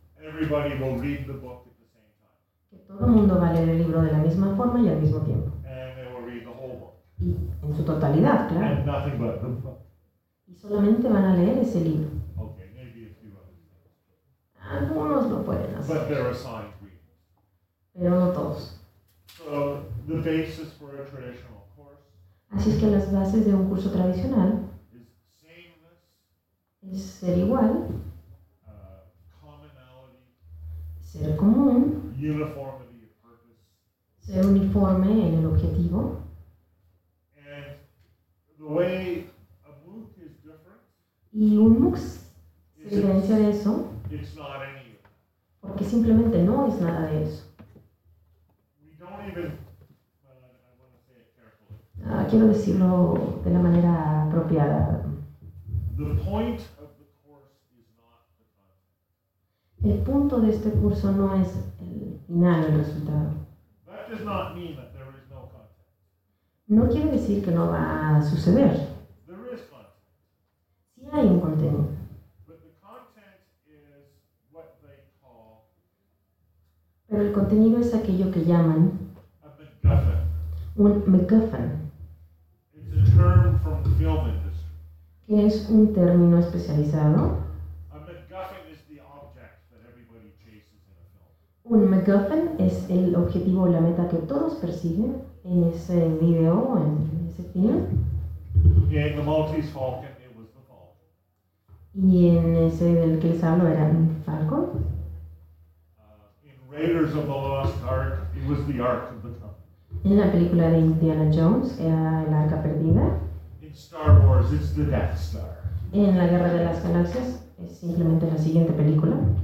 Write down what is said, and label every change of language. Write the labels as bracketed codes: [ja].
[en] Everybody will read the book at the same time. [es] Que todo el mundo va a leer el libro de la misma forma y al mismo tiempo. [en] And they will read the whole book. [es] Y en su totalidad, claro. [en] And nothing but the book. [es] Y solamente van a leer ese libro. [en] Okay, maybe a few others. [es] Algunos lo pueden hacer. [en] But they're assigned readers. [es] Pero no todos. [en] So, the basis for a traditional course. [es] Así es que las bases de un curso tradicional. [en] Is sameness. [es] Es ser igual. [en] Commonality. [es] Ser común. [en] Uniformity of purpose. [es] Ser uniforme en el objetivo. [en] The way a MOOC is different. [es] Y un MOOC se diferencia de eso. [en] It's not any of it. [es] Porque simplemente no es nada de eso. [en] We don't even, I want to say it carefully. [es] Quiero decirlo de la manera apropiada. [en] The point of the course is not the final. [es] El punto de este curso no es el final, el resultado. [en] That does not mean that. [es] No quiere decir que no va a suceder. [en] There is content. [es] Sí hay un contenido. [en] But the content is what they call. [es] Pero el contenido es aquello que llaman. [en] A MacGuffin. [es] Un MacGuffin. [en] It's a term from the film industry. [es] Que es un término especializado. [en] A MacGuffin is the object that everybody chases in a film. [es] Un MacGuffin es el objetivo o la meta que todos persiguen. En ese video, en ese film. [en] In the Maltese Falcon, it was the Falcon. [es] Y en ese del que les hablo era el Falcon. [en] In Raiders of the Lost Ark, it was the Ark of the Covenant. [es] En la película de Indiana Jones, era el Arca Perdida. [en] In Star Wars, it's the Death Star. [es] En la Guerra de las Galaxias, es simplemente la siguiente película.